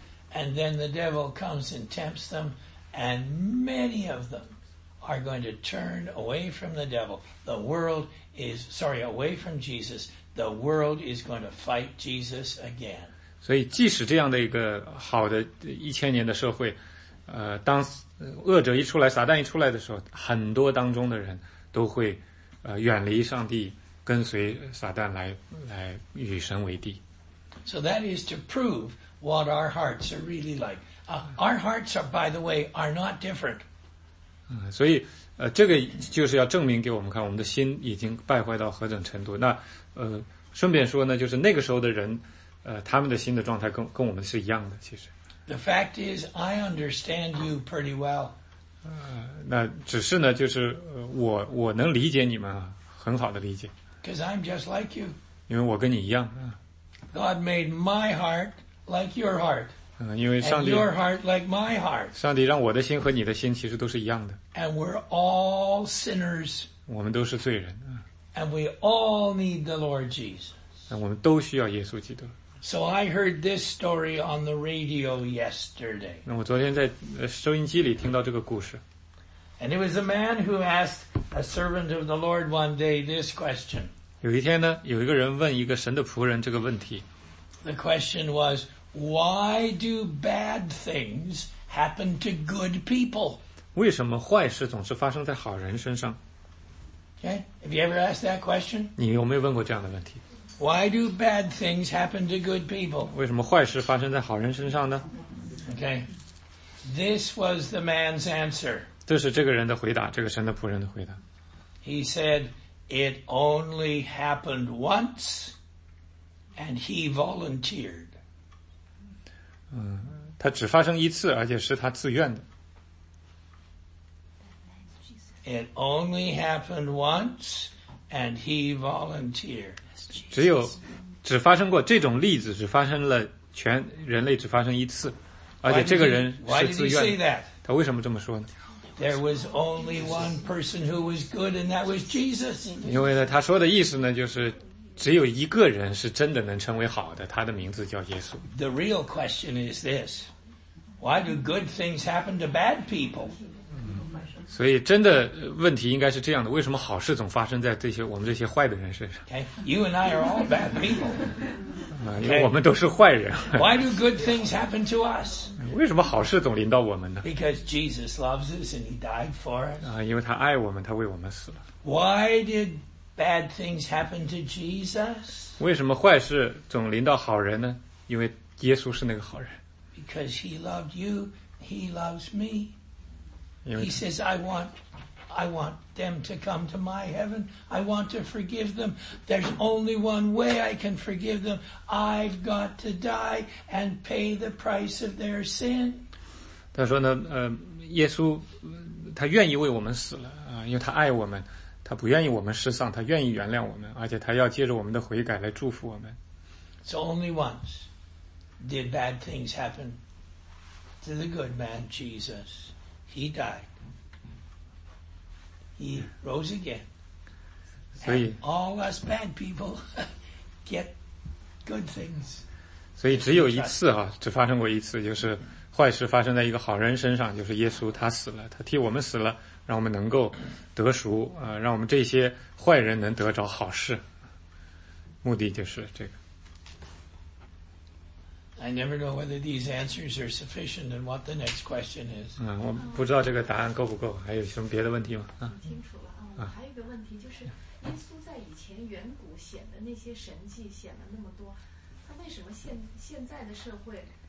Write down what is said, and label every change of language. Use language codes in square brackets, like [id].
[en] And then the devil comes and tempts them, and many of them are going to turn away from the devil. Away from Jesus. The world is going to fight Jesus again. [zh] 所以，即使这样的一个好的1000年的社会，当恶者一出来，撒旦一出来的时候，很多当中的人都会远离上帝，跟随撒旦来与神为敌。 [en] So that is to prove what our hearts are really like. Our hearts are, by the way, are not different. [zh] 所以这个就是要证明给我们看，我们的心已经败坏到何等程度。那顺便说呢，就是那个时候的人他们的心的状态跟我们是一样的，其实。 [en] The fact is, I understand you pretty well. [zh] 那只是呢，就是我能理解你们啊，很好的理解。 [en] Because I'm just like you. [zh] 因为我跟你一样。 [en] God made my heart like your heart. [zh] 因为上帝。 [en] And your heart like my heart. [zh] 上帝让我的心和你的心其实都是一样的。 [en] And we're all sinners. [zh] 我们都是罪人。 [en] And we all need the Lord Jesus. [zh] 那我们都需要耶稣基督。 [en] So I heard this story on the radio yesterday. [zh] 我昨天在收音机里听到这个故事。 [en] And it was a man who asked a servant of the Lord one day this question. [zh] 有一天呢，有一个人问一个神的仆人这个问题。 [en] The question was, why do bad things happen to good people? [zh] 为什么坏事总是发生在好人身上？ [en] Okay, have you ever asked that question? [zh] 你有没有问过这样的问题？ [en] Why do bad things happen to good people? [zh] 为什么坏事发生在好人身上呢？ [en] Okay. This was the man's answer. [zh] 这是这个人的回答，这个神的仆人的回答。 [en] He said, it only happened once, and he volunteered. [zh] 他只发生一次，而且是他自愿的。 [en] It only happened once, and he volunteered. [zh] 只发生过这种例子，只发生了全人类只发生一次。而且这个人是自愿的。他为什么这么说呢？ [en] There was only one person who was good, and that was Jesus. [zh] 因为呢，他说的意思呢，就是只有一个人是真的能成为好的，他的名字叫耶稣。 [en] The real question is this: Why do good things happen to bad people? [zh] 所以真的问题应该是这样的，为什么好事总发生在这些我们这些坏的人身上？ [en] Okay, you and I are all bad people. [zh] 因为我们都是坏人。 [en] Why do good things happen to us? [zh] 为什么好事总临到我们呢？ [en] Because Jesus loves us and he died for us. [zh] 因为他爱我们，他为我们死了。 [en] Why did bad things happen to Jesus? [zh] 为什么坏事总临到好人呢？因为耶稣是那个好人。 [en] Because he loved you, he loves me. He says, I want them to come to my heaven. I want to forgive them. There's only one way I can forgive them. I've got to die and pay the price of their sin. [zh] 他说呢，耶稣他愿意为我们死了，因为他爱我们，他不愿意我们失丧，他愿意原谅我们，而且他要借着我们的悔改来祝福我们。 [en] So only once did bad things happen to the good man, Jesus. He died. He rose again. So, all us bad people get good things. [zh] 所以只有一次啊，只发生过一次，就是坏事发生在一个好人身上，就是耶稣他死了，他替我们死了，让我们能够得赎，让我们这些坏人能得着好事。目的就是这个。 [en] I never know whether these answers are sufficient and what the next question is. [zh] 我不知道这个答案够不够，还有什么别的问题吗？听清楚了，还有一个问题就是，耶稣在以前远古显的那些神迹显了那么多，他为什么现在的社会